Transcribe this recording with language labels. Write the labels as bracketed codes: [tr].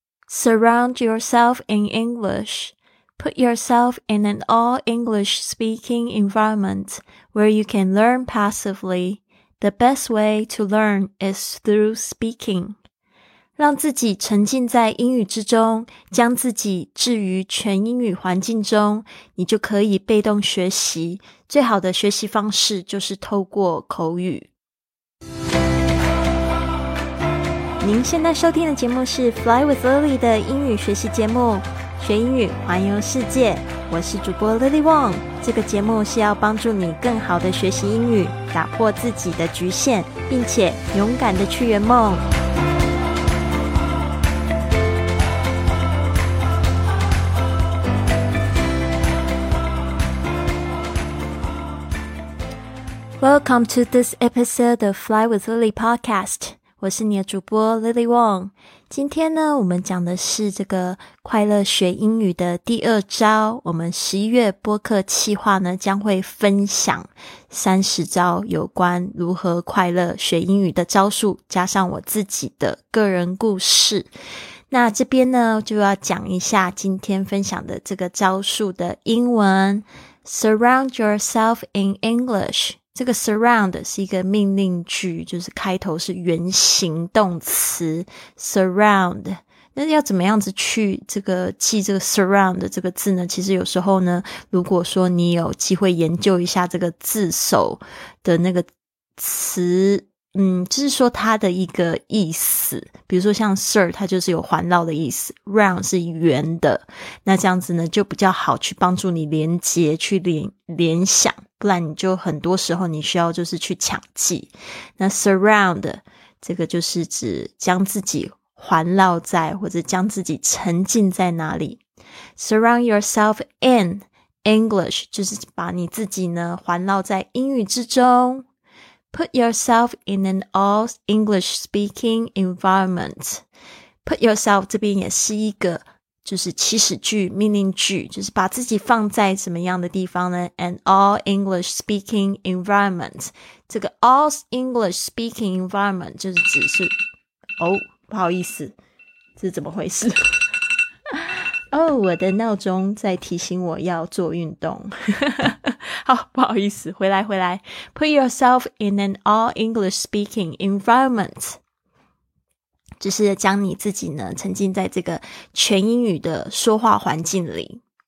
[en] Surround yourself in English. Put yourself in an all-English speaking environment where you can learn passively. The best way to learn is through speaking. [zh] 让自己沉浸在英语之中，将自己置于全英语环境中，你就可以被动学习。最好的学习方式就是透过口语。您现在收听的节目是 Fly with Lily 的英语学习节目，学英语环游世界。我是主播 Lily Wong， 这个节目是要帮助你更好的学习英语，打破自己的局限，并且勇敢的去圆梦。 [en] Welcome to this episode of Fly with Lily podcast. [zh] 我是你的主播 Lily Wong. 今天呢，我们讲的是这个快乐学英语的第二招。我们11月播客企划呢，将会分享30招有关如何快乐学英语的招数，加上我自己的个人故事。那这边呢，就要讲一下今天分享的这个招数的英文。 [en] Surround yourself in English. [zh] 这个 surround 是一个命令句，就是开头是原形动词 surround。那要怎么样子去这个记这个 surround 这个字呢？其实有时候呢，如果说你有机会研究一下这个字首的那个词，就是说它的一个意思，比如说像 sir 它就是有环绕的意思， round 是圆的，那这样子呢就比较好去帮助你连接去 联想，不然你就很多时候你需要就是去抢记。那 surround 这个就是指将自己环绕在或者将自己沉浸在哪里。 [en] surround yourself in English [zh] 就是把你自己呢环绕在英语之中。 [en] put yourself in an all English speaking environment， [zh] put yourself 这边也是一个就是祈使句、命令句，就是把自己放在什么样的地方呢？ [en] An all English speaking environment， [zh] 这个 [en] all English speaking environment [zh] 就是指是，哦，不好意思，这是怎么回事？哦，我的闹钟在提醒我要做运动。好，不好意思，回来回来。 [en] Put yourself in an all English speaking environment， [zh] 就是将你自己呢沉浸在这个全英语的说话环境里。